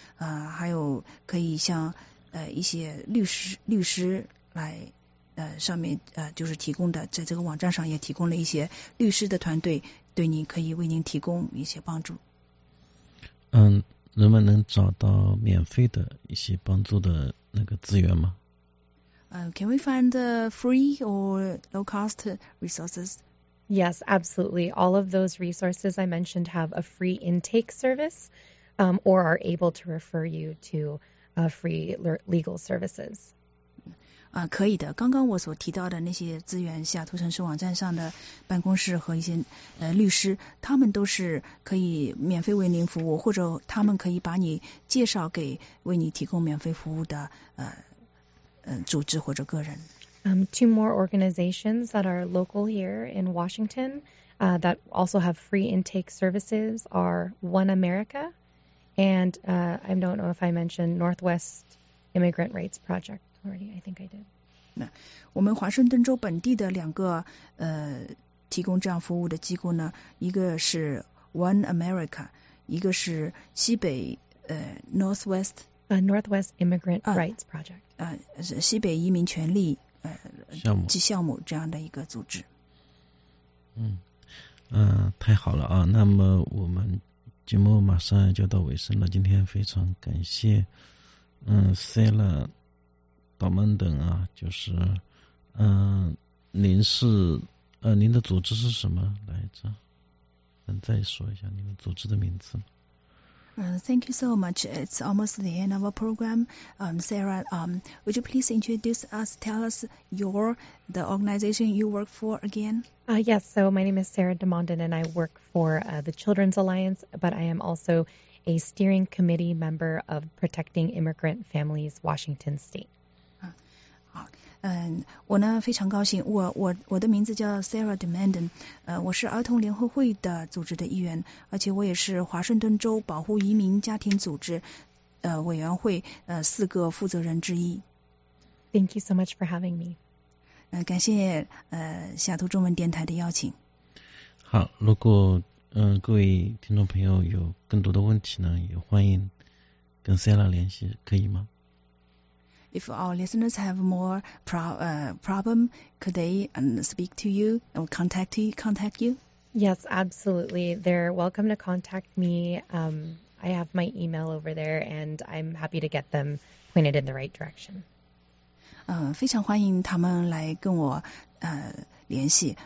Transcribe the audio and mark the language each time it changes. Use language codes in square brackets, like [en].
[zh] 还有可以向一些律师来上面就是提供的，在这个网站上也提供了一些律师的团队，对您可以为您提供一些帮助。人们能找到免费的一些帮助的那个资源吗？ [en] Can we find the free or low-cost resources? Yes, absolutely. All of those resources I mentioned have a free intake service, or are able to refer you to free legal services. [zh] 可以的。刚刚我所提到的那些资源，西雅图城市网站上的办公室和一些律师，他们都是可以免费为您服务，或者他们可以把你介绍给为你提供免费服务的组织或者个人。 [en] Two more organizations that are local here in Washington, that also have free intake services are One America, and I don't know if I mentioned Northwest Immigrant Rights Project. I think I did. [zh] 那我们华盛顿州本地的两个提供这样服务的机构呢，一个是 One America， 一个是西北Northwest [en] Northwest Immigrant Rights Project， [zh] 是西北移民权利项目这样的一个组织。太好了啊！那么我们节目马上就到尾声了，今天非常感谢Sela。导门等啊，就是您是您的组织是什么来着？能再说一下您的组织的名字吗？ [en] Thank you so much. It's almost the end of our program. Sarah, would you please introduce us, tell us the organization you work for again? Yes, so my name is Sarah DeMondon and I work for the Children's Alliance, but I am also a steering committee member of Protecting Immigrant Families Washington State. [zh] 我呢非常高兴，我的名字叫 Sarah DeMondon， 我是儿童联合会的组织的一员，而且我也是华盛顿州保护移民家庭组织委员会四个负责人之一。 [en] Thank you so much for having me. [zh] 感谢西雅图中文电台的邀请。好，如果各位听众朋友有更多的问题呢，也欢迎跟 Sarah 联系，可以吗？ [en] If our listeners have more problem, could they speak to you or contact you? Yes, absolutely. They're welcome to contact me. I have my email over there, and I'm happy to get them pointed in the right direction. [zh] 非常欢迎他们来跟我联系。